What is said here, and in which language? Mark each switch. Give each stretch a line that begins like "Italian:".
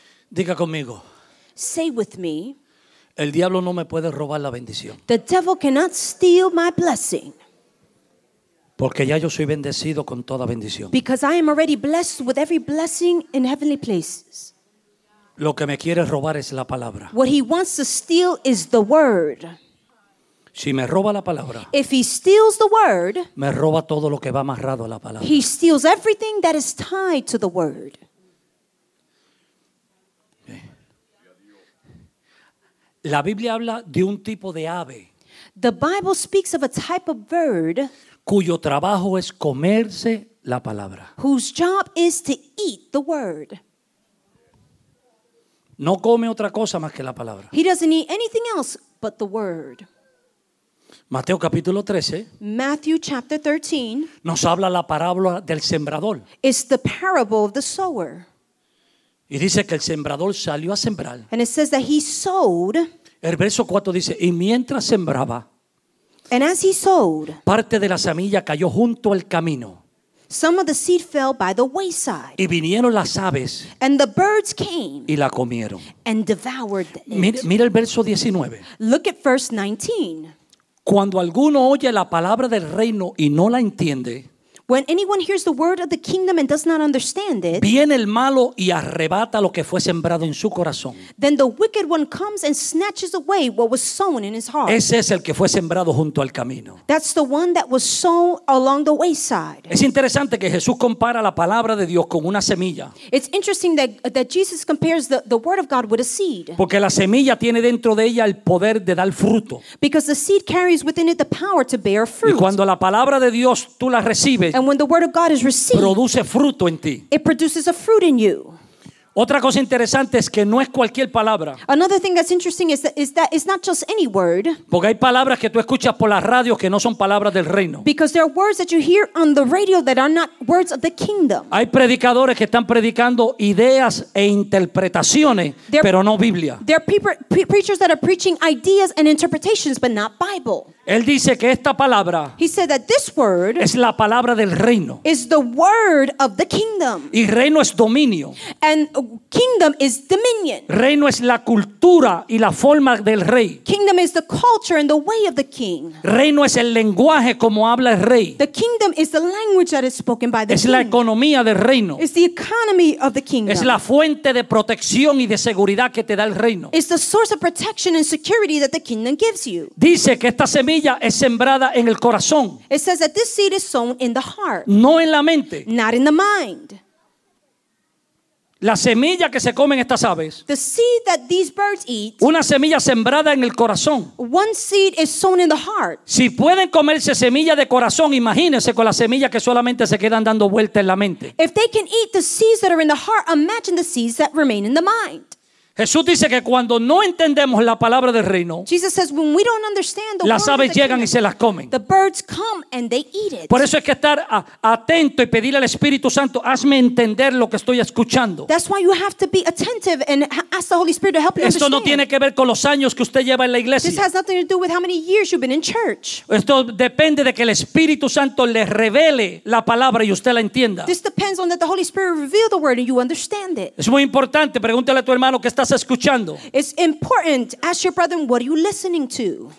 Spanish: Diga conmigo.
English: Say with me.
Spanish: El diablo no me puede robar la bendición.
English: The devil cannot steal my blessing.
Spanish: Porque ya yo soy bendecido con toda bendición.
English: Because I am already blessed with every blessing in heavenly places.
Spanish: Lo que me quiere robar es la palabra.
English: What he wants to steal is the word.
Spanish: Si me roba la palabra,
English: if he steals the word,
Spanish: me roba todo lo que va amarrado a la palabra.
English: He steals everything that is tied to the word.
Spanish: La Biblia habla de un tipo de ave.
English: The Bible speaks of a type of bird
Spanish: cuyo trabajo es comerse la palabra.
English: Whose job is to eat the word.
Spanish: No come otra cosa más que la palabra.
English: He doesn't eat anything else but the word.
Spanish: Mateo capítulo 13.
English: Matthew chapter 13.
Spanish: Nos habla la parábola del sembrador.
English: It's the parable of the sower.
Spanish: Y dice que el sembrador salió a sembrar.
English: And it says that he sowed.
Spanish: El verso 4 dice, y mientras sembraba,
English: and as he sowed,
Spanish: parte de la semilla cayó junto al camino.
English: Some of the seed fell by the wayside.
Spanish: Y vinieron las aves.
English: And the birds came.
Spanish: Y la comieron.
English: And devoured it.
Spanish: Mira el verso 19.
English: Look at verse 19.
Spanish: Cuando alguno oye la palabra del reino y no la entiende,
English: when anyone hears the word of the kingdom and does not understand it,
Spanish: viene el malo y arrebata lo que fue sembrado en su corazón.
English: Then the wicked one comes and snatches away what was sown in his heart.
Spanish: Ese es el que fue sembrado junto al camino.
English: That's the one that was sown along the wayside.
Spanish: Es interesante que Jesús compara la palabra de Dios con una semilla.
English: It's interesting that Jesus compares the word of God with a seed.
Spanish: Porque la semilla tiene dentro de ella el poder de dar fruto.
English: Because the seed carries within it the power to bear fruit.
Spanish: Y cuando la palabra de Dios tú la recibes,
English: and when the word of God is received,
Spanish: produce fruto en ti.
English: It produces a fruit in you.
Spanish: Otra cosa interesante es que no es cualquier palabra.
English: Another thing that's interesting is that it's not just any word.
Spanish: Porque hay palabras que tú escuchas por las radios que no son palabras del reino.
English: Because there are words that you hear on the radio that are not words of the kingdom.
Spanish: Hay predicadores que están predicando ideas e interpretaciones, pero no Biblia.
English: There are preachers that are preaching ideas and interpretations, but not Bible.
Spanish: Él dice que esta palabra,
English: he said that this word,
Spanish: es la palabra del reino,
English: is the word of the kingdom.
Spanish: Y reino es dominio,
English: and kingdom is dominion.
Spanish: Reino es la cultura y la forma del rey.
English: Kingdom is the culture and the way of the king.
Spanish: Reino es el lenguaje como habla el rey.
English: The kingdom is the language that is spoken by the
Spanish: es
English: king.
Spanish: Es la economía del reino.
English: It's the economy of the kingdom.
Spanish: Es la fuente de protección y de seguridad que te da el reino.
English: It's the source of protection and security that the kingdom gives you.
Spanish: Dice que esta semilla es sembrada en el corazón.
English: It says that this seed is sown in the heart.
Spanish: No en la mente.
English: Not in the mind.
Spanish: La semilla que se comen estas aves.
English: The seed that these birds eat.
Spanish: Una semilla sembrada en el corazón.
English: One seed is sown in the heart.
Spanish: Si pueden comerse semilla de corazón, imagínense con las semillas que solamente se quedan dando vuelta en la mente.
English: If they can eat the seeds that are in the heart, imagine the seeds that remain in the mind.
Spanish: Jesús dice que cuando no entendemos la palabra del reino,
English: Jesus says when we don't understand the
Spanish: las
English: word
Spanish: aves llegan
English: kingdom,
Spanish: y se las comen.
English: The birds come and they eat it.
Spanish: Por eso es que estar atento y pedirle al Espíritu Santo, hazme entender lo que estoy escuchando.
English: That's why you have to be attentive and ask the Holy Spirit to help you understand.
Spanish: Esto no tiene que ver con los años que usted lleva en la iglesia.
English: This has nothing to do with how many years you've been in church.
Spanish: Esto depende de que el Espíritu Santo le revele la palabra y usted la entienda.
English: This depends on that the Holy Spirit reveal the word and you understand it.
Spanish: Es muy importante, pregúntale a tu hermano que está escuchando.
English: It's important. Ask your brethren, what are you listening to?